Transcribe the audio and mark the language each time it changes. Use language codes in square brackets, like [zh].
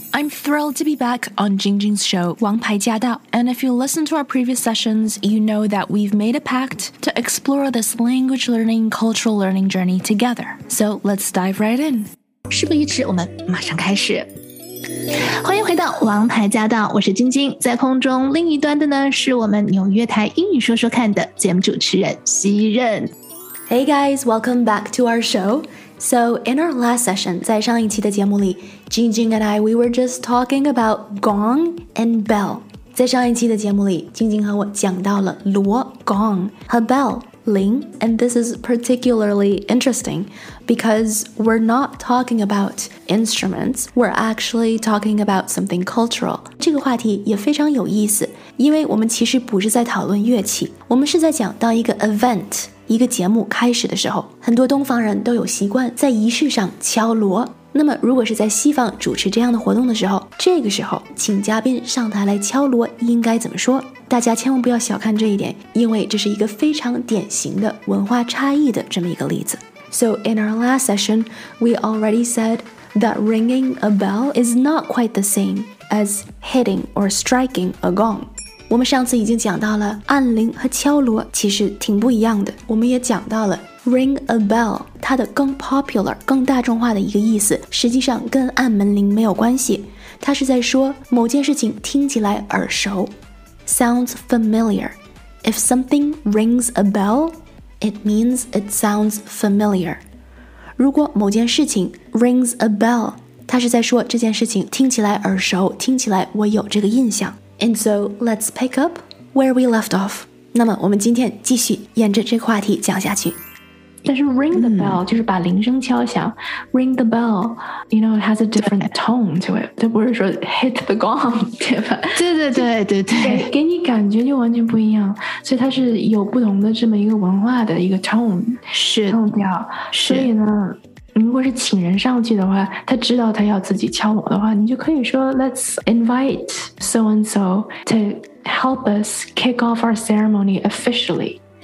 [en] I'm thrilled to be back on Jingjing's show, 王牌驾到. And if you listen to our previous sessions, you know that we've made a pact to explore this language learning, cultural learning journey together. So let's dive right in. [zh] 事不宜迟，我们马上开始。欢迎回到王牌驾到，我是晶晶，在空中另一端的呢是我们纽约台英语说说看的节目主持人熙韌。 [en] Hey guys, welcome back to our show. So in our last session, [zh] 在上一期的节目里 [en] ，Jingjing and I we were just talking about gong and bell. [zh] 在上一期的节目里 ，Jingjing 和我讲到了锣 gong 和 bell 铃 ， [en] and this is particularly interesting. Because we're not talking about instruments, we're actually talking about something cultural. [zh] 这个话题也非常有意思，因为我们其实不是在讨论乐器，我们是在讲到一个 event, 一个节目开始的时候，很多东方人都有习惯在仪式上敲锣。那么如果是在西方主持这样的活动的时候，这个时候请嘉宾上台来敲锣应该怎么说？大家千万不要小看这一点，因为这是一个非常典型的文化差异的这么一个例子。 [en] So in our last session, we already said that ringing a bell is not quite the same as hitting or striking a gong. [zh] 我们上次已经讲到了按铃和敲锣其实挺不一样的。我们也讲到了 ring a bell, 它的更 popular, 更大众化的一个意思实际上跟按门铃没有关系。它是在说某件事情听起来耳熟。 [en] Sounds familiar. If something rings a bell,It means it sounds familiar. [zh] 如果某件事情 rings a bell, 它是在说这件事情听起来耳熟，听起来我有这个印象。 [en] And so let's pick up where we left off. [zh] 那么我们今天继续沿着这个话题讲下去。但是 ring the bell,就是把铃声敲响。 [en] Ring the bell, you know, it has a different tone to it. [zh] 就不是说 [en] hit the gong, [zh] 对吧？对对对对对。给你感觉就完全不一样。所以它是有不同的这么一个文化的一个 tone, 是 tone 调。所以呢，如果是请人上去的话，他知道他要自己敲锣的话，你就可以说 [en] let's invite so-and-so to help us kick off our ceremony officially.